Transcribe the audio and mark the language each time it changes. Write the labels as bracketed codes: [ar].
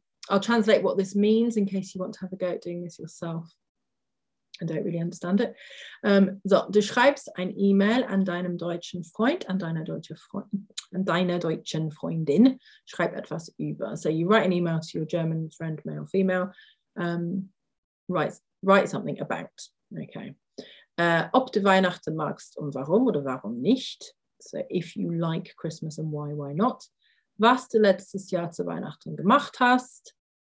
[en] I'll translate what this means in case you want to have a go at doing this yourself. I don't really understand it. [de] So, du schreibst ein E-Mail an deinem deutschen Freund, an deiner deutschen Freundin. Schreib etwas über. [en] So you write an email to your German friend, male, female. Write something about. Okay. [de] Ob du Weihnachten magst und warum oder warum nicht. [en] So if you like Christmas and why not. [de] Was du letztes Jahr zu Weihnachten gemacht hast.